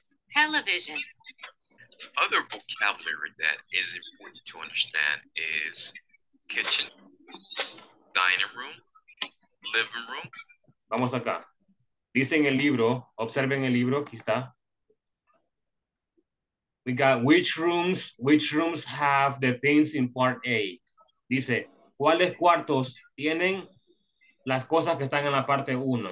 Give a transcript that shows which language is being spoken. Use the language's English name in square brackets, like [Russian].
[English] Television. Other vocabulary that is important to understand is kitchen, dining room, living room. [Spanish] Vamos acá. Dicen el libro, observen el libro, aquí está. [English] We got which rooms have the things in part A. [Spanish] Dice, ¿cuáles cuartos tienen las cosas que están en la parte 1?